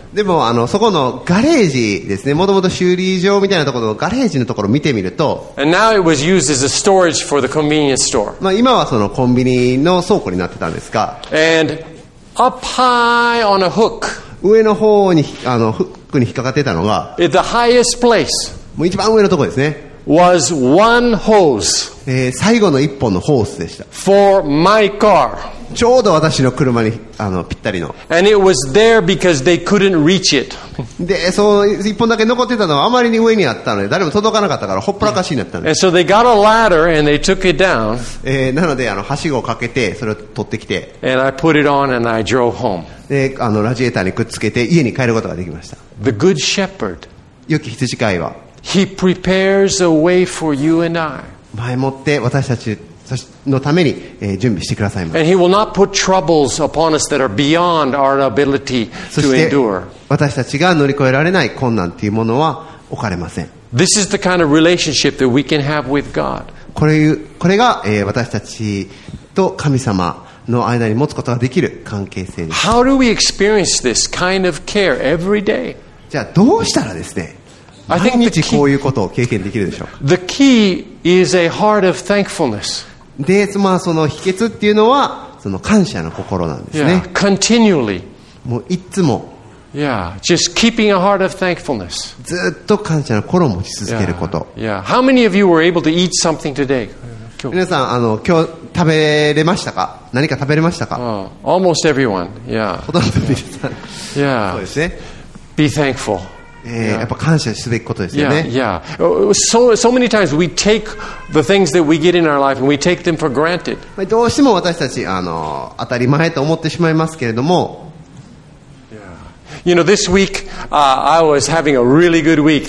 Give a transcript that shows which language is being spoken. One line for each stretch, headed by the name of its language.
Japanese: でもあのそこのガレージですね、もともと修理場みたいなところのガレージのところを見てみると、
English: And now it was used as a storage for the convenience store.
Japanese: まあ今はそのコンビニの倉庫になってたんですが、
English: And up high on a hook.
Japanese: 上の方にあのフックに引っかかってたのが、
English: The highest place.
Japanese: もう一番上のところですね。
English: Was one hose.
Japanese: 最後の一本のホースでした。
English: For my car.
Japanese: ちょうど私の車にあのぴったりの。
English: And it was there because they couldn't reach it.
Japanese: で、その一本だけ残ってたのはあまりに上にあったので誰も届かなかったからほっぽらかしになったんです。
English: And so they got a ladder and they took it down.
Japanese: なのであのはしごをかけてそれを取ってきて。
English: And I put it on and I drove home.
Japanese: で、あのラジエーターにくっつけて家に帰ることができました。
English: The good shepherd.
Japanese: 良き羊飼いは。
English: He prepares a way for you and I.
Japanese: 前もって私たち。のために準備してくださいました。
English: And he will not put troubles upon us that are beyond our ability to endure.
Japanese: そして私たちが乗り越えられない困難というものは置かれません。
English: This is the kind of relationship that we can have with God.
Japanese: これが私たちと神様の間に持つことができる関係性です。
English: How do we experience this kind of care every day?
Japanese: じゃあどうしたらですね、毎日こういうことを経験できるでしょうか。
English: The key is a heart of thankfulness.
Japanese: で、まあ、その秘訣っていうのはその感謝の心なんですね。
English: Yeah, continually.
Japanese: もういつも。
English: Yeah, just keeping a heart of thankfulness.
Japanese: ずっと感謝の心を持ち続けること。
English: Yeah. Yeah. How many of you were able to eat something today?
Japanese: 皆さん、今日食べれましたか？何か食べれましたか？
English: Almost everyone. Yeah.
Japanese: ほとんど皆さん。
English: Yeah.
Japanese: そうですね。
English: Be thankful.
Japanese: やっぱ感謝すべきことですよね。
English: Yeah. Yeah. So many times we take the things that we get in our life and we take them for granted.
Japanese: どうしても私たち当たり前と思ってしまいますけれども。
English: You know, this week, I was having a really good week.